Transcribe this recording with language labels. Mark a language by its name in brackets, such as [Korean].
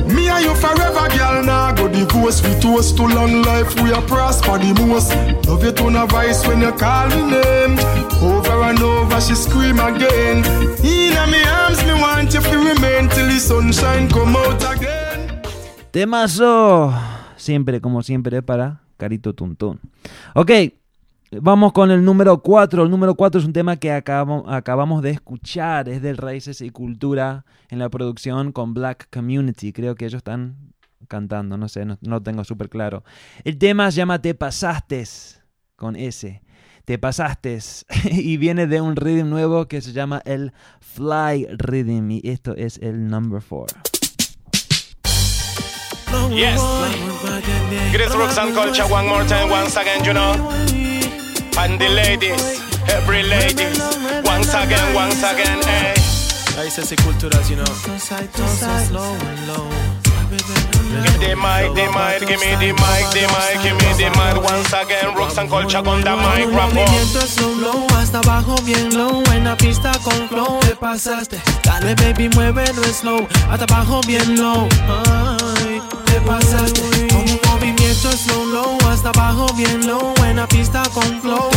[English] Me and you forever, girl. Nah, go divorce. We toast to long life. We are prosper the most. Love your tone of voice when you call me name. Over and over, she scream again. In me arms, me want you to remain till the sunshine come out again. [Spanish] Temazo, siempre como siempre para Carito Tuntún. Ok, vamos con el número 4. El número 4 es un tema que acabamos de escuchar. Es de Raíces y Cultura en la producción con Black Community. Creo que ellos están cantando, no sé, no tengo súper claro. El tema se llama Te Pasaste, con S. Te Pasaste, y viene de un rhythm nuevo que se llama el Fly Rhythm. Y esto es el number 4. [English] Yes, greatest rocks and culture, one more time, once again, you know. And the ladies, every ladies, once again, eh. I say culturas, you know. Give the mic, give me the mic, the mic, give me the mic. Once again, rocks and culture con the mic, rap on. [Spanish] Hasta abajo bien low, en la pista con flow. Te pasaste, dale baby, muévelo slow. Hasta abajo bien low, ay, te pasaste. Con un movimiento slow low. Hasta abajo bien low, en la pista con flow.